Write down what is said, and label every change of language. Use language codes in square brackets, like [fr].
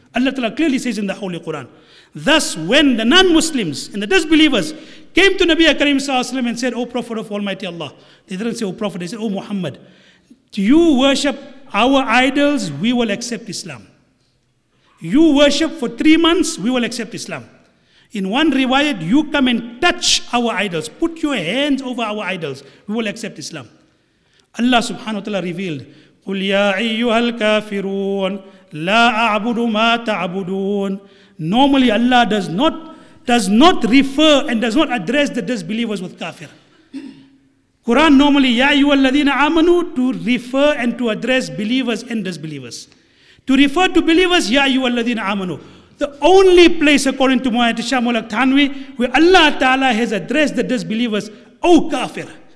[en] Allah Ta'ala clearly says in the Holy Quran. Thus, when the non-Muslims and the disbelievers came to Nabi Karim Sallallahu Alaihi Wasallam and said, O Prophet of Almighty Allah, they didn't say, O Prophet, they said, O Muhammad, do you worship our idols? We will accept Islam. You worship for 3 months, we will accept Islam. In one riwayat, you come and touch our idols, put your hands over our idols, we will accept Islam. Allah subhanahu wa ta'ala revealed, [ar] قُلْ يَا أَيُّهَا الْكَافِرُونَ لَا أَعْبُدُ مَا تَعْبُدُونَ. [en] Normally Allah does not refer and does not address the disbelievers with kafir. Quran normally, [ar] يَا أَيُّهَا الَّذِينَ آمَنُوا, [en] to refer and to address believers and disbelievers. To refer to believers, [ar] يَا أَيُّهَا الَّذِينَ آمَنُوا. [en] The only place according to Muayyat al-Shamul al-Tanwi where Allah ta'ala has addressed the disbelievers, oh kafir.